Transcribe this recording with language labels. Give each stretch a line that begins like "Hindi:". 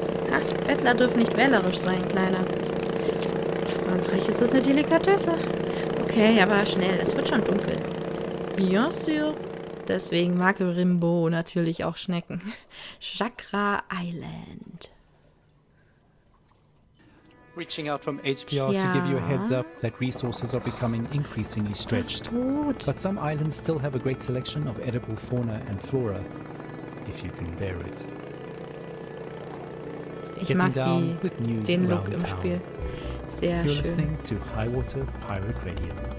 German: Ha, Bettler dürfen nicht wählerisch sein, Kleiner. Frankreich ist es eine Delikatesse. Okay, aber schnell, es wird schon dunkel.
French: Bien sûr.
German: Deswegen mag Rimbaud natürlich auch Schnecken.
English: Chakra Island. Reaching out from HPR to give you a heads up that resources are becoming increasingly stretched. But some islands still have a great selection of edible fauna and flora, if you can bear it.
German: Ich mag den Look im Spiel. Sehr schön.
English: You're listening to Highwater Pirate Radio.